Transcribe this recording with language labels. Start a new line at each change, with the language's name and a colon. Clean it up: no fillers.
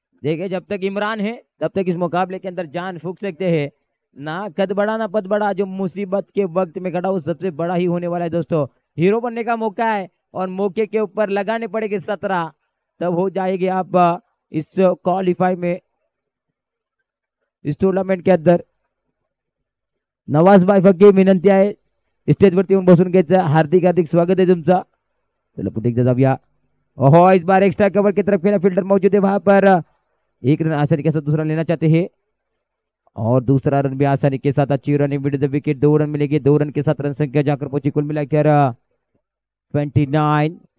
Hindi: देखिए जब तक इमरान है तब तक इस मुकाबले के अंदर जान फूंक सकते हैं, ना कद बड़ा ना पद बड़ा, जो मुसीबत के वक्त में खड़ा वो सबसे बड़ा ही होने वाला है दोस्तों। हीरो बनने का मौका है और मौके के ऊपर लगाने पड़ेंगे 17, तब हो जाएगी आप इस क्वालिफाई में इस टूर्नामेंट के अंदर। नवाज भाई फकीर विनंती है
Marathi: स्टेज वरती बसून घ्यायचं. हार्दिक स्वागत आहे तुमचं. चला पुढे एकदा जाऊया.
Hindi: ओहो, इस बार एक्स्ट्रा कवर की तरफ खेला, फील्डर मौजूद है वहां पर. एक रन आसानी के साथ दूसरा लेना चाहते है और दूसरा रन भी आसानी के साथ. अच्छी रनिंग विद द विकेट, दो रन मिलेगी. दो रन के साथ रन संख्या जाकर पहुंची कुल मिला क्या 29.